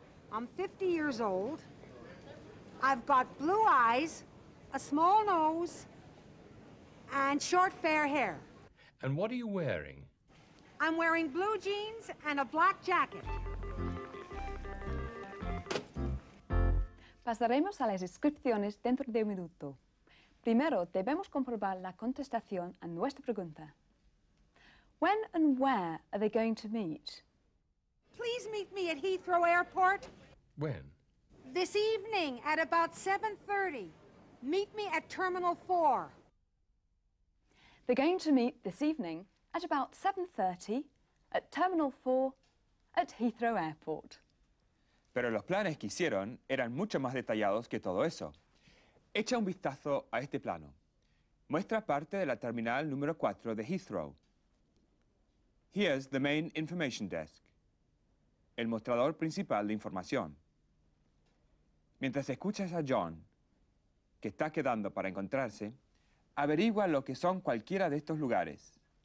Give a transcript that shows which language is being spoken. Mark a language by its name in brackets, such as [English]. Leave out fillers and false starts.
[English] I'm 50 years old. I've got blue eyes, a small nose, and short fair hair. And what are you wearing? I'm wearing blue jeans and a black jacket. [Spanish] Pasaremos a las inscripciones dentro de un minuto. Primero, debemos comprobar la contestación a nuestra pregunta. [English] When and where are they going to meet? Please meet me at Heathrow Airport. When? This evening at about 7:30. Meet me at Terminal 4. They're going to meet this evening at about 7:30 at Terminal 4 at Heathrow Airport. [Spanish] Pero los planes que hicieron eran mucho más detallados que todo eso. Echa un vistazo a este plano. Muestra parte de la terminal número 4 de Heathrow. [English] Here's the main information desk. [Spanish] El mostrador principal de información. Mientras escuchas a John, que está quedando para encontrarse, averigua lo que son cualquiera de estos lugares.